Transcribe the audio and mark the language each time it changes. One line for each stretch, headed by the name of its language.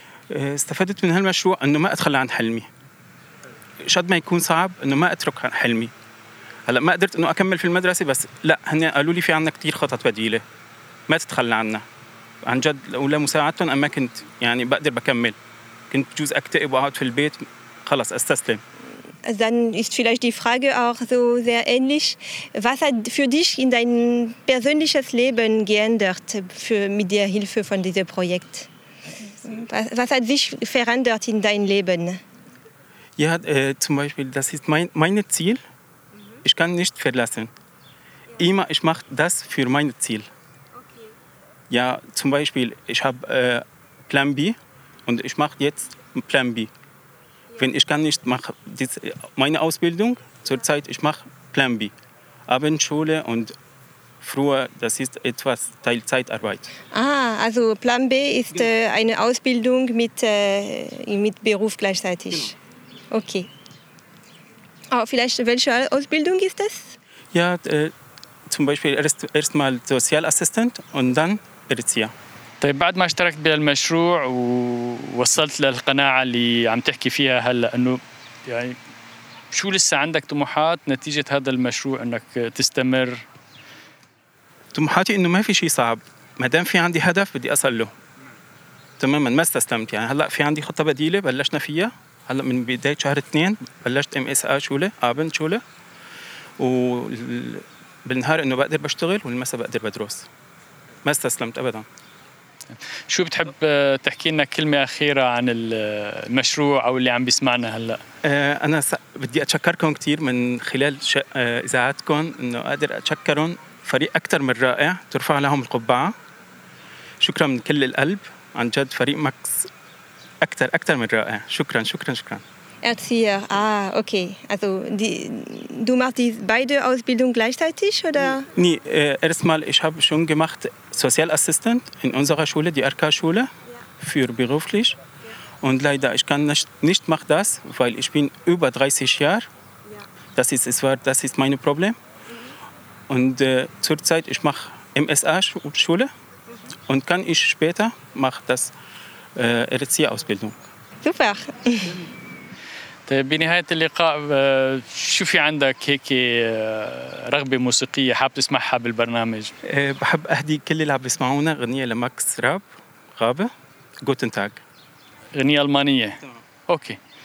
Arabic: استفدت من هالمشروع إنه ما أتخلى عن حلمي. شد ما يكون صعب إنه ما أترك حلمي. هلا ما قدرت إنه أكمل في المدرسة بس لا هن قالوا لي في عنا كتير خطط بديلة. ما تتخلى عنا. عن جد ولا مساعدتهم أما كنت يعني بقدر بكمل. كنت بجوز أكتئب وأقعد في البيت خلص أستسلم.
German: Dann ist vielleicht die Frage auch so sehr ähnlich. Was hat für dich in dein persönliches Leben geändert mit der Hilfe von diesem Projekt? Was hat sich verändert in deinem Leben? Ja, zum Beispiel, das ist mein Ziel. Ich kann nicht verlassen. Immer, ich mache das für mein Ziel. Ja, zum Beispiel, ich habe Plan B und ich mache jetzt Plan B. Wenn ich kann nicht mache meine Ausbildung zurzeit ich mache Plan B Abendschule und früher das ist etwas Teilzeitarbeit. Ah, also Plan B ist eine Ausbildung mit Beruf gleichzeitig. Genau. Okay. Auch vielleicht welche Ausbildung ist das? Ja, zum Beispiel erstmal Sozialassistent und dann Erzieher.
Arabic: طيب بعد ما اشتركت بالمشروع ووصلت للقناعة اللي عم تحكي فيها هلأ انه يعني شو لسه عندك طموحات نتيجة هذا المشروع انك تستمر طموحاتي انه ما في شيء صعب ما دام في عندي هدف بدي اصل له تماما ما استسلمت يعني هلأ في عندي خطة بديلة بلشنا فيها هلأ من بداية شهر 2 بلشت MSA شولة آبن شولة وبالنهار انه بقدر بشتغل والمساء بقدر بدرس ما استسلمت ابدا شو بتحب تحكي لنا كلمة أخيرة عن المشروع أو اللي عم بيسمعنا هلأ؟ أنا بدي أتشكركم كتير من خلال إذاعتكم إنه قادر أتشكرهم فريق أكتر من رائع ترفع لهم القبعة شكرا من كل القلب عن جد فريق ماكس أكتر من رائع شكرا شكرا شكرا
German: Erzieher, okay. Also, du machst beide Ausbildung gleichzeitig, oder? Nee, erstmal, ich habe schon gemacht Social Assistant in unserer Schule, die RK-Schule, für beruflich. Und leider, ich kann nicht machen das, weil ich bin über 30 Jahre. Das ist mein Problem. Und zurzeit, ich mache MSA-Schule und kann ich später machen das Erzieherausbildung. Super.
Arabic: بنهاية اللقاء شو في عندك هيك رغبة موسيقية حاب تسمعها بالبرنامج؟ بحب أهدي كل اللي عم يسمعونا غنية لماكس راب غابة غوتن تاغ غنية ألمانية. أوكي.